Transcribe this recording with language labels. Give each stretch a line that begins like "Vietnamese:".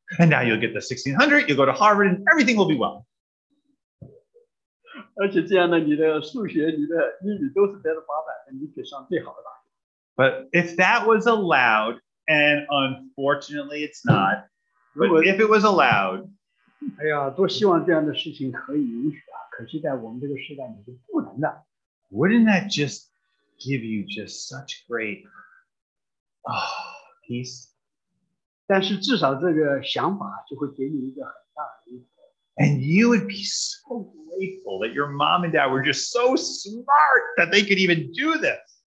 English: And now you'll get the 1600, you'll go to Harvard, and everything will be well.
Chinese: 而且这样呢，你的数学、你的英语都是得了800分，你可以上最好的大学。
English: But if that was allowed, and unfortunately it's not, but if it was allowed.
Chinese: 哎呀，多希望这样的事情可以允许啊！可惜在我们这个时代，你是不能的。
English: Wouldn't that just give you just such great peace?
Chinese: 但是至少这个想法就会给你一个很大的。
English: And you would be so grateful that your mom and dad were just so smart that they could even do this.